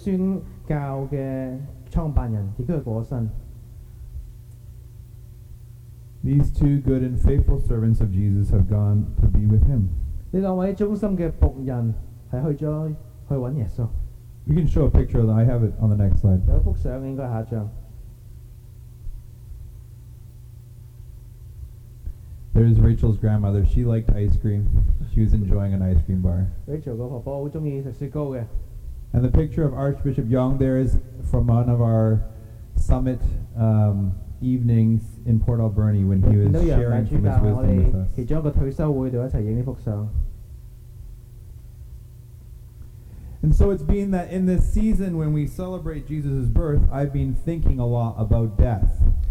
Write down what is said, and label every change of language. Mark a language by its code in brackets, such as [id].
[zh] 而幾天前我們也收到消息，楊平忠大主教是幫創立聖公會宣教的創辦人，也過身。 [en] These two good and faithful servants of Jesus have gone to be with him. [zh] 這兩位忠心的仆人是去了去找耶穌。 [en] You can show a picture of that. I have it on the next slide. [zh] 有一幅相應該下一張。 [en] There's Rachel's grandmother. She liked ice cream. She was enjoying an ice cream bar. [zh] Rachel的婆婆很喜歡吃雪糕的。 [en] And the picture of Archbishop Yong there is from one of our summit evenings in Port Alberni when he was sharing from his wisdom with us. [zh] 其中一個退休會一起拍這幅相。 [en] And so it's been that in this season when we celebrate Jesus' birth, I've been thinking a lot about death.